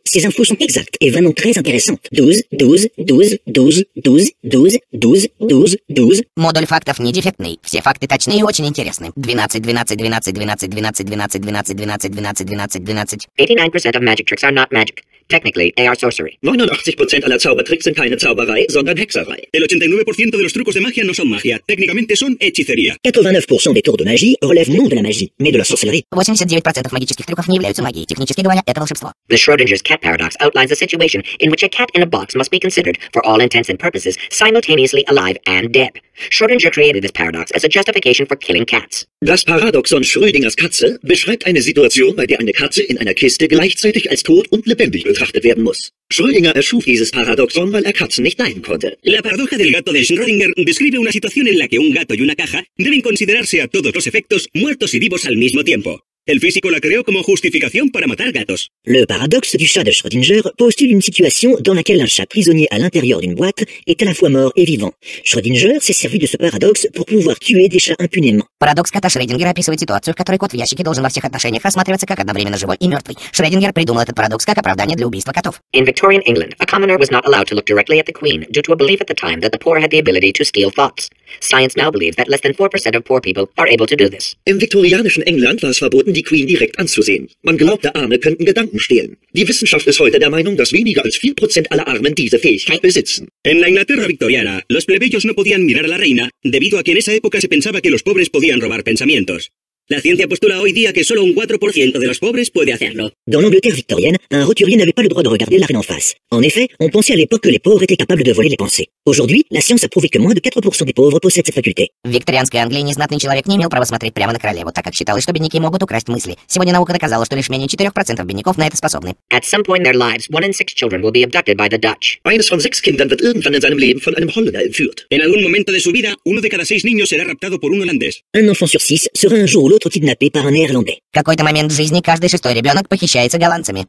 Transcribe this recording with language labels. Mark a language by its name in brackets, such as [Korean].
[French] Ces infos sont exactes et vraiment très intéressantes. 12, 12, 12, 12, 12, 12, 12, 12. [Russian] Модуль фактов не дефектный. Все факты точны и очень интересны. 12, 12, 12, 12, 12, 12, 12, 12, 12, 12, 12, 12, 12. [English] 89% of magic tricks are not magic. Technically, they are sorcery. [German] 89% aller Zaubertricks sind keine Zauberei, sondern Hexerei. [Spanish] El 89% de los trucos de magia no son magia. Técnicamente son hechicería. [French] 89% des tours de magie relèvent non de la magie, mais de la sorcellerie. [Russian] 89% магических трюков не являются магией. Технически говоря, это волшебство. [English] The Schrödinger's cat paradox outlines a situation in which a cat in a box must be considered, for all intents and purposes, simultaneously alive and dead. Schrödinger created this paradox as a justification for killing cats. [German] Das Paradoxon Schrödingers Katze beschreibt eine Situation, bei der eine Katze in einer Kiste gleichzeitig als tot und lebendig betrachtet werden muss. Schrödinger erschuf dieses Paradoxon, weil er Katzen nicht leiden konnte. [Spanish] La paradoja del gato de Schrödinger describe una situación en la que un gato y una caja deben considerarse a todos los efectos muertos y vivos al mismo tiempo. El físico la creó como justificación para matar gatos. [French] Le paradoxe du chat de Schrödinger postule une situation dans laquelle un chat prisonnier à l'intérieur d'une boîte est à la fois mort et vivant. Schrödinger s'est servi de ce paradoxe pour pouvoir tuer des chats impunément. [Russian] Paradoxe кота Шрёдингера описывает ситуацию, в которой кот в ящике должен во всех отношениях рассматриваться как одновременно живой и мертвый. Шрёдингер придумал этот парадокс как оправдание для убийства котов. [English] In Victorian England, a commoner was not allowed to look directly at the queen due to a belief at the time that the poor had the ability to steal thoughts. Science now believes that less than 4% of poor people are able to do this. [German] Im viktorianischen England war es verboten, die Queen direkt anzusehen. Man glaubte, Arme könnten Gedanken stehlen. Die Wissenschaft ist heute der Meinung, dass weniger als 4% aller Armen diese Fähigkeit besitzen. [Spanish] En la Inglaterra victoriana, los plebeyos no podían mirar a la reina debido a que en esa época se pensaba que los pobres podían robar pensamientos. La ciencia postula hoy día que solo un 4% de los pobres puede hacerlo. [French] Dans l'Angleterre victorienne, un roturier n'avait pas le droit de regarder la reine en face. En effet, on pensait à l'époque que les pauvres étaient capables de voler les pensées. Aujourd'hui, la science a prouvé que moins de 4% des pauvres possèdent cette faculté. [Russian] В викторианской Англии незнатный человек не имел права смотреть прямо на королеву, так как считалось, что бедняки могут украсть мысли. Сегодня наука доказала, что лишь менее 4% бедняков на это способны. [English] At some point in their lives, one in six children will be abducted by the Dutch. [German] Eines von sechs Kindern wird irgendwann in seinem Leben von einem Holländer entführt. [Spanish] En algún momento de su vida, uno de cada seis niños será raptado por un holandés. [French] Un enfant sur six sera un jour kidnappé par un néerlandais. [Russian] В какой-то момент жизни каждый шестой ребенок похищается голландцами.